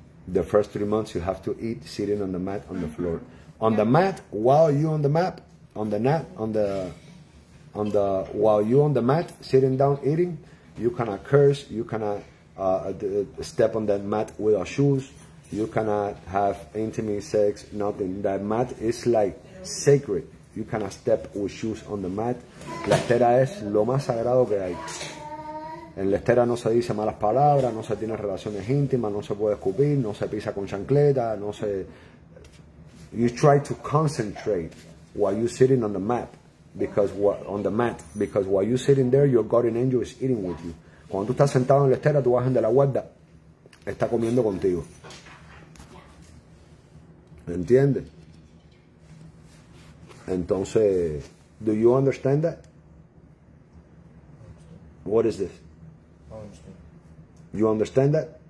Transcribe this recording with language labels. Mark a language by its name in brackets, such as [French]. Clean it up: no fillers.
[English] The first 3 months you have to eat sitting on the mat on the floor. On the mat, while you on the mat, on the mat, on the while you on the mat, sitting down eating, you cannot curse, you cannot step on that mat without shoes, you cannot have intimate sex, nothing. That mat is like sacred. You cannot step with shoes on the mat. [Spanish] La estera es lo más sagrado que hay. En la estera no se dice malas palabras, no se tiene relaciones íntimas, no se puede escupir, no se pisa con chancleta, no se... [English] You try to concentrate while you're sitting on the mat, because while you're sitting there, your guardian angel is eating with you. [Spanish] Cuando tú estás sentado en la estera, tu ángel de la guarda está comiendo contigo. ¿Entiendes? [English] Entonces, do you understand that? What is this? You understand that?